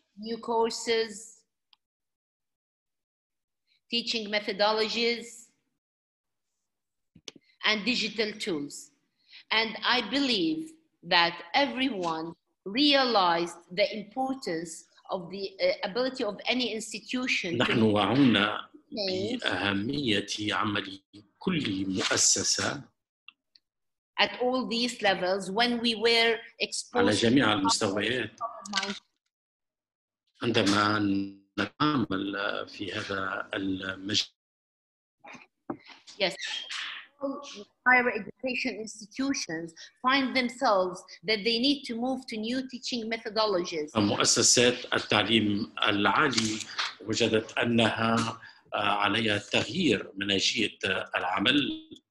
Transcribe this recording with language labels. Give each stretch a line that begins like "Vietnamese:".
English: new courses teaching methodologies and digital tools and I believe that everyone realized the importance of the ability of any institution
Arabic: نحن وعونا بأهمية عمل كل مؤسسة
English: at all these levels when we were exposed
Arabic: على جميع المستويات عندما نتعامل في هذا المجال
English: yes higher education institutions find themselves that they need to move to new teaching methodologies
Arabic: مؤسسات التعليم العالي وجدت انها عليها التغيير مناهجية العمل